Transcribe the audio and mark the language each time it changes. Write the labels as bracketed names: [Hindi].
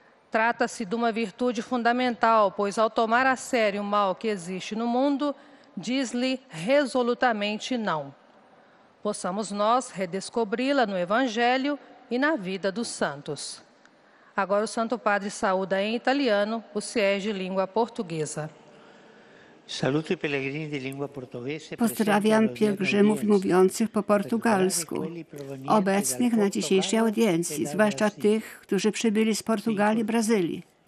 [Portuguese] Trata-se de uma virtude fundamental, pois ao tomar a sério o mal que existe no mundo, diz-lhe resolutamente não. Possamos nós redescobri-la no Evangelho e na vida dos santos. Agora o Santo Padre saúda em italiano o CIES de língua portuguesa. [Italian] Saluto i pellegrini di lingua portoghese. [Polish] Pozdrawiam pielgrzymów mówiących po portugalsku, obecnych na dzisiejszej audiencji, zwłaszcza tych, którzy przybyli z Portugalii i Brazylii.